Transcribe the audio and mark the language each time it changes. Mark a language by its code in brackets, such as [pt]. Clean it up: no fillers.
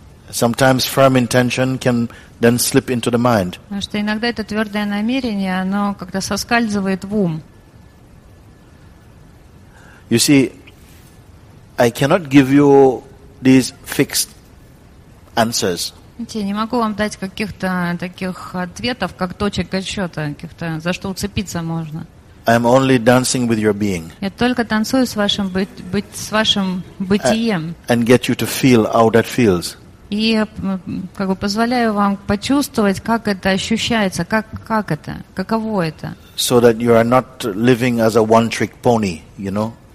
[en] Sometimes firm intention can then slip into the mind. [ru] Потому что иногда это твердое намерение, оно как-то соскальзывает в ум. [en] You see, I cannot give you these fixed answers. [ru] Я не могу вам дать каких-то таких ответов, как точек отсчета, каких-то за что уцепиться можно. [en] I am only dancing with your being. [ru] Я только танцую с вашим быть с вашим бытием. [en] And get you to feel how that feels. [ru] И как бы позволяю вам почувствовать, как это ощущается, как это, каково это. [en] So that you are not living as a one-trick pony, you know.